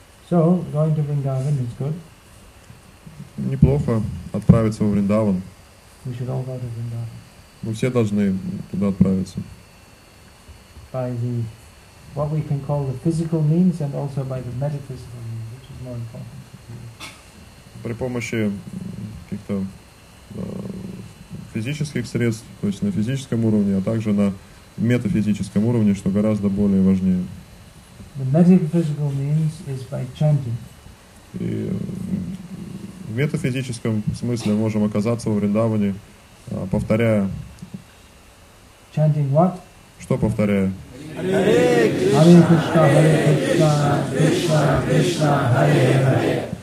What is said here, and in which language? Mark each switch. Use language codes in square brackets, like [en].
[en] So, going to Vrindavan is good. [ru] Неплохо отправиться во Вриндаван. [en] We should all go to Vrindavan. [ru] Мы все должны туда отправиться. [en] By the what we can call the physical means and also by the metaphysical means, which is more important. [ru] При помощи каких-то физических средств, то есть на физическом уровне, а также на метафизическом уровне, что гораздо более важнее. [en] The metaphysical means is by chanting. [ru] И в метафизическом смысле можем оказаться во Вриндаване, повторяя. [en] Chanting what? [ru] Что повторяя? [sa] Hare Krishna, Hare Krishna, Krishna Krishna, Krishna Hare Hare.